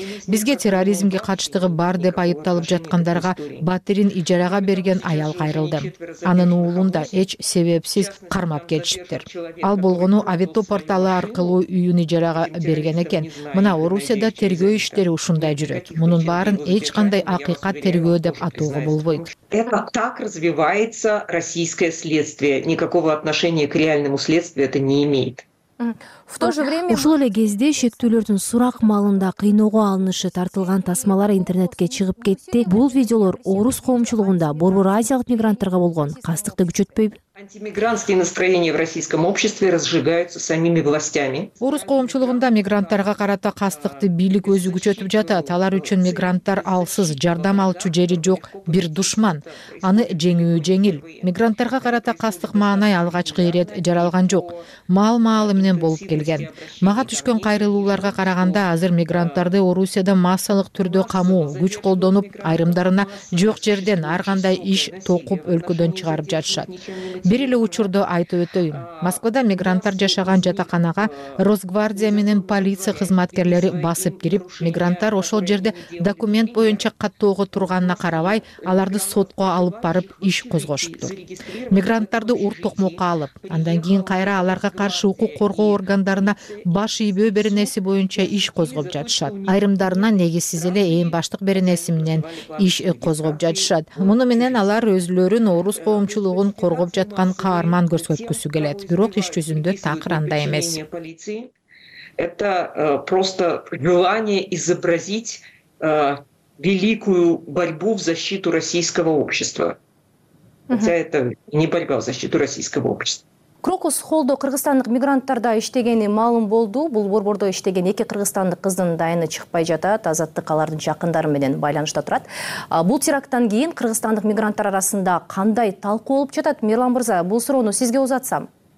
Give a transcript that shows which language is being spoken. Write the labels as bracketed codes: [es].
[ky] Бизге терроризмге катыштыгы бар деп айыпталып жаткандарга батирин ижарага берген аял кайрылды. Анын уулун да эч себепсиз кармап кетишиптир. Ал болгону Авито порталы аркылуу үйүн ижарага берген экен. Мына Орусияда тергөө иштери ушундай жүрөт. Мунун баарын эч кандай акыйкат тергөө деп атоого болбойт. [ru] Это так развивается российское следствие. Никакого отношения к реальному следствию это не имеет. В то же время [ky] ушул эле кезде шектүүлөрдүн сурак маалында кыйноого алынышы тартылган тасмалар интернетке чыгып кетти. Бул видеолор орус коомчулугунда борбор азиялык мигранттарга болгон кастыкты күчөтпөйбү? [ru] Антимигрантские настроения в российском обществе разжигаются самими властями. [ky] Орус коомчулугунда мигранттарга карата кастыкты бийлик өзү күчөтүп жатат. Алар үчүн мигранттар алсыз, жардам алчу жери жок, бир душман. Аны жеңүү жеңил. Мигранттарга карата кастык маанай алгачкы ирет жаралган жок. Мал маалы менен болуп келген. Мага түшкөн кайрылууларга караганда азыр мигранттарды Орусияда массалык түрдө камоо, күч колдонуп, айрымдарына жок жерден ар кандай иш токуп өлкөдөн чыгарып жатышат. Бир эле учурду айтып өтөйүн. Москвада мигранттар жашаган жатаканага Росгвардия менен полиция кызматкерлери басып кирип, мигранттар ошол жерде документ боюнча каттоого турганына карабай, аларды сотко алып барып иш козгошуптур. Мигранттарды уртокмокко алып, андан кийин кайра аларга каршы укук коргоо органдарына баш ийбөө беренеси боюнча иш козгоп жатышат. Айрымдарына негизсиз эле ээн баштык беренеси менен иш козгоп жатышат. Муну менен алар өзлөрүн орус коомчулугун коргоп жаткан каарман көрсөткүсү келет. Бирок иш жүзүндө такыр андай эмес. [ru] Это просто желание изобразить великую борьбу в защиту российского общества. Хотя это не борьба в защиту российского общества. [ky] Крокус холдо кыргызстандык мигранттарда иштегени маалым болду. Бул борбордо иштеген эки кыргызстандык кыздын дайыны чыкпай жатат. Азаттык алардын жакындары менен байланышта турат. Бул терактан кийин кыргызстандык мигранттар арасында кандай талкуу болуп жатат? Мирлан мырза, бул суроону сизге узатсам.